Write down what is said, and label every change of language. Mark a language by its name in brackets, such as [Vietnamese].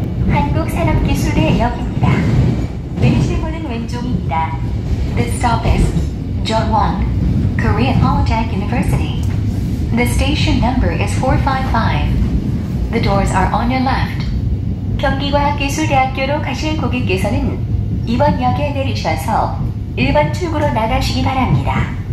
[Korean] 한국산업기술의 역입니다. 내리실 문은 왼쪽입니다. [English] This stop is Jeonwon, Korea Polytech University. The station number is 455. The doors are on your left. [Korean] 경기과학기술대학교로 가실 고객께서는 2번 역에 내리셔서 1번 출구로 나가시기 바랍니다.